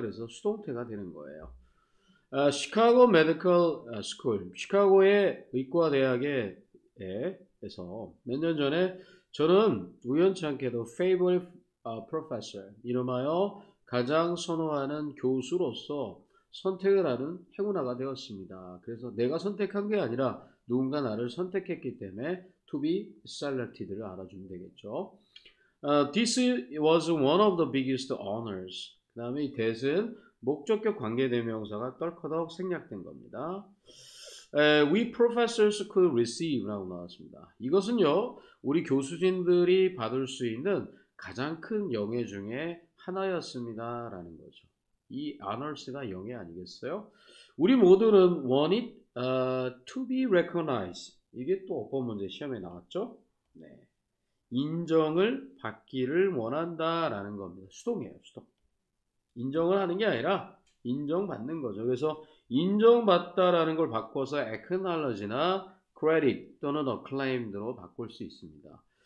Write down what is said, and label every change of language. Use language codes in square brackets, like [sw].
[ko] 그래서 수동태가 되는 거예요. Chicago Medical School, 시카고의 의과대학에 에서 몇년 전에 저는 우연치 않게도 [en] favorite professor, [ko] 이름하여 가장 선호하는 교수로서 선택을 하는 행운아가 되었습니다. 그래서 내가 선택한 게 아니라 누군가 나를 선택했기 때문에 [en] to be selected를 [ko] 알아주면 되겠죠. [en] This was one of the biggest honors. [ko] 그 다음에 that은 목적격 관계대명사가 떨커덕 생략된 겁니다. [en] We professors could receive라고 [ko] 나왔습니다. 이것은요, 우리 교수진들이 받을 수 있는 가장 큰 영예 중에 하나였습니다라는 거죠. 이 honors가 영예 아니겠어요? 우리 모두는 [en] want it to be recognized. [ko] 이게 또 어법 문제 시험에 나왔죠? 네. 인정을 받기를 원한다라는 겁니다. 수동이에요, 수동. 인정을 하는 게 아니라 인정받는 거죠. 그래서 인정받다라는 걸 바꿔서 acknowledge나 credit 또는 acclaimed로 바꿀 수 있습니다.